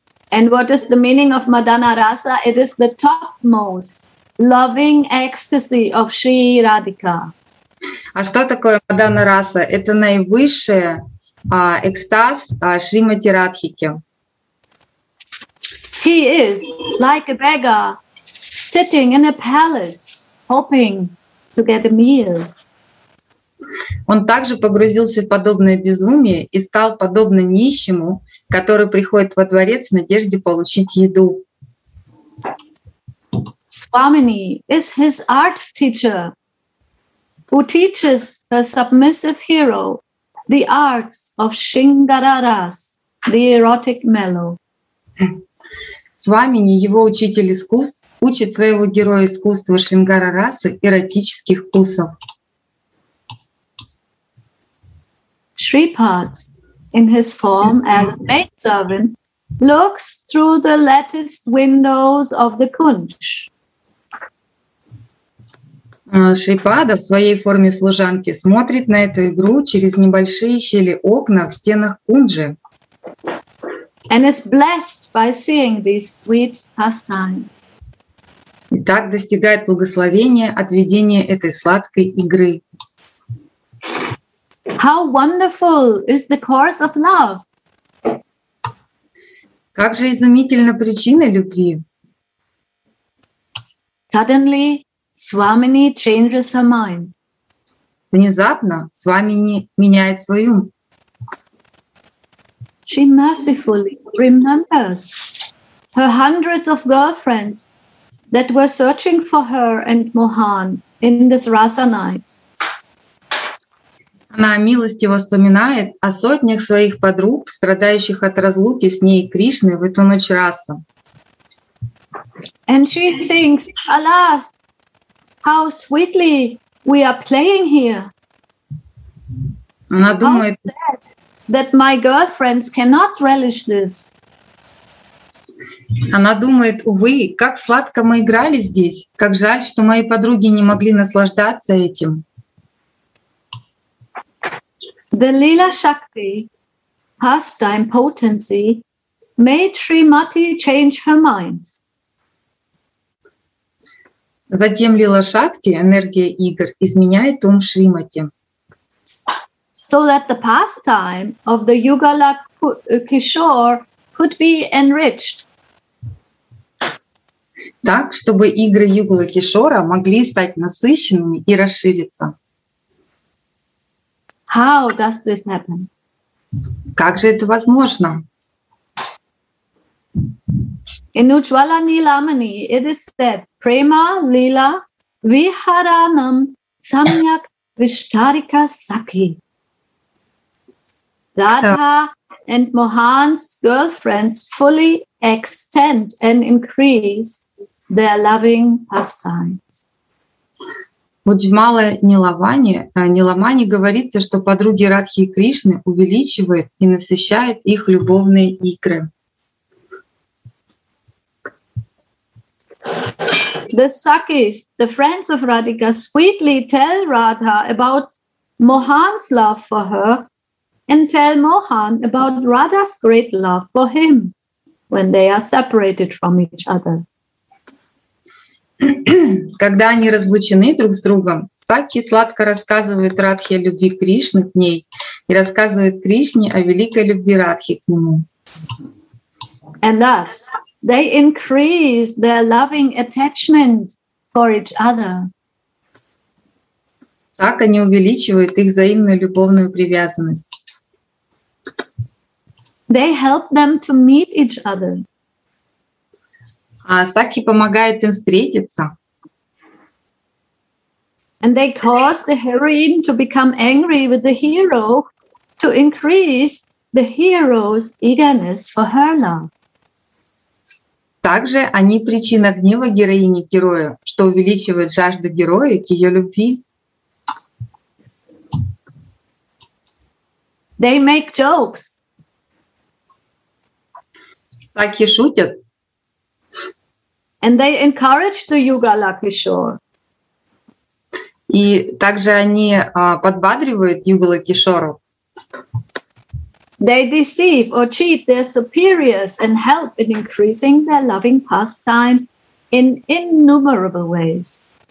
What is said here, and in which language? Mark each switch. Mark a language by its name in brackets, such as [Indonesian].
[English] And what is the meaning of Madana Rasa? It is the topmost loving ecstasy of Sri Radhika. [Russian] А что такое Мадана Раса? Это наивысшая экстаз Шримати Радхики. [English] He is like a beggar sitting in a palace, hoping to get a meal. [Russian] Он также погрузился в подобное безумие и стал подобно нищему, который приходит во дворец в надежде получить еду. [English] Swamini is his art teacher, who teaches the submissive hero the arts of Shingararas, the erotic mellow. [Russian] Свамини, его учитель искусств, учит своего героя искусства Шрингарарасы эротических вкусов. [English] Shripad, in his form as a maidservant, looks through the latticed windows of the kunch. [Russian] Шрипада в своей форме служанки смотрит на эту игру через небольшие щели окна в стенах кунджи. [English] And is blessed by seeing these sweet pastimes. [Russian] И так достигает благословения от ведения этой сладкой игры. [English] How wonderful is the course of love? [Russian] Как же изумительна причина любви. [English] Suddenly, Swamini changes her mind. [Russian] Внезапно Свамини меняет свой ум. [English] She mercifully remembers her hundreds of girlfriends that were searching for her and Mohan in this Rasa night. [Russian] Она милостиво вспоминает о сотнях своих подруг, страдающих от разлуки с ней Кришны в эту ночь Раса. [English] And she thinks, alas, how sweetly we are playing here. [Russian] Она думает, [English] how sad that my girlfriends cannot relish this. [Russian] Она думает, увы, как сладко мы играли здесь, как жаль, что мои подруги не могли наслаждаться этим. [English] The Lila Shakti, pastime potency, made Srimati change her mind. [Russian] Затем Лила Шакти, энергия игр, изменяет ум Шримати. [English] So that the pastime of the Yugala Kishore could be enriched. [Russian] Так, чтобы игры Югалы Кишора могли стать насыщенными и расшириться. [English] How does this happen? [Russian] Как же это возможно? [English] In Ujjvala Nilamani it is said, [Sanskrit] Prema Lila Viharanam Samyak Vishtarika Sakhi. [English] Radha and Mohan's girlfriends fully extend and increase their loving pastimes. [Russian] Ujjvala Nilamani говорится, что подруги Радхи и Кришны увеличивают и насыщают их любовные игры. [English] The Sakis, the friends of Radhika, sweetly tell Radha about Mohan's love for her and tell Mohan about Radha's great love for him when they are separated from each other. [Russian] Когда они разлучены друг с другом, Саки сладко рассказывает Радхе о любви Кришны к ней и рассказывает Кришне о великой любви Радхи к нему. [English] And thus, they increase their loving attachment for each other. [Russian] Так они увеличивают их взаимную любовную привязанность. [English] They help them to meet each other. [Russian] А Саки помогает им встретиться. [English] And they cause the heroine to become angry with the hero to increase the hero's eagerness for her love. [Russian] Также они причина гнева героини героя, что увеличивает жажду героя к ее любви. [English] They make jokes. [Russian] Саки шутят. [English] And they encourage the Yugala Kishore. [Russian] И также они подбадривают Югала Кишору. [English] They deceive or cheat their superiors and help in increasing their loving pastimes in innumerable ways.